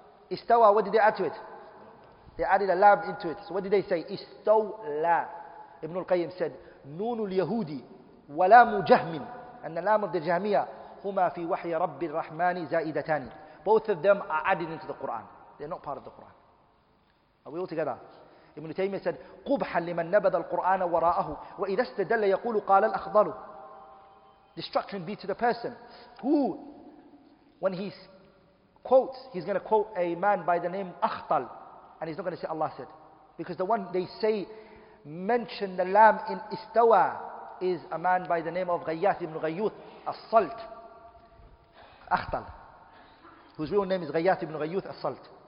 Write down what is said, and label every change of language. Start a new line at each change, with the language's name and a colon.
English: Istawa, what did they add to it? They added a lamb into it. So what did they say? Istawla. Ibn al-Qayyim said,
Arabic: Noonul Yahudi walamu jahmin,
English: and the lamb of the Jahmiya,
Arabic: huma fi wahi rabbil rahmani zaidatani.
English: Both of them are added into the Quran. They're not part of the Quran. Are we all together? Ibn Taymiyyah said,
Arabic: قُبْحًا لِمَنْ نَبَذَ الْقُرْآنَ وَرَاءَهُ وَإِذَا اسْتَدَلَّ يَقُولُ قَالَ الْأَخْضَرُ.
English: Destruction be to the person who, when he quotes, he's going to quote a man by the name Akhtal, and he's not going to say Allah said. Because the one they say, mention the lamb in Istawa, is a man by the name of Ghayyath ibn Ghayyuth, As-Salt, Akhtal, whose real name is Ghayyath ibn Ghayyuth As-Salt.